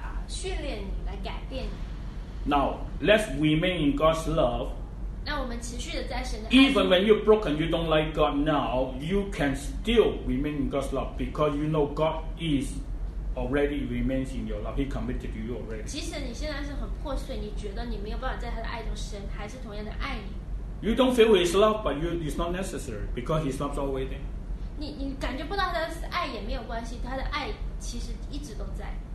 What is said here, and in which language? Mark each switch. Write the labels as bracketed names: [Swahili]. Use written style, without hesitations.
[Chinese] 因为呢，神有这个永恒的时间来训练你，来改变你。 [English] Now let's remain in God's love. [Chinese] 那我们持续的在神的爱中。 [English] Even when you're broken, you don't like God now, you can still remain in God's love because you know God is already remains in your love. He committed to you already. [Chinese] 即使你现在是很破碎，你觉得你没有办法在他的爱中，神还是同样的爱你。 [English] You don't feel His love, but it's not necessary because His love's always there. [Chinese] 你感觉不到他的爱也没有关系，他的爱其实一直都在。